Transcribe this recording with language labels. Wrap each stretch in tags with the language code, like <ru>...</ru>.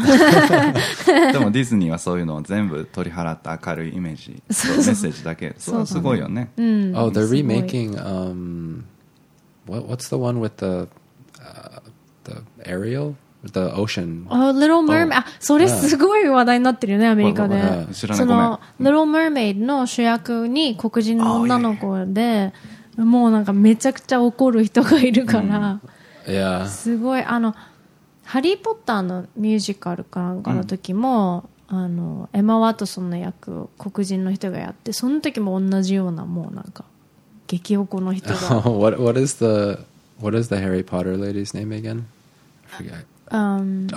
<ja>でもディズニーはそういうのを全部取り払った明るいイメージ、メッセージだけ。そう、すごいよね。うん。</ja> <en>Oh, they're remaking, what's the one with the Ariel? The ocean. Oh, Little Mermaid. Oh.</en> <ja>それすごい話題になってるよね、アメリカで。その Little Mermaid の主役に黒人の女の子で、もうなんかめちゃくちゃ怒る人がいるから。</ja> <en>Yeah.</en> <ja>すごい。あの、ハリー・ポッターのミュージカルかなんかの時も、あの、エマ・ワトソンの役を黒人の人がやって、その時も同じような、もうなんか、激怒の人が。</ja> <en>What is the Harry Potter lady's name again? I forget.</en>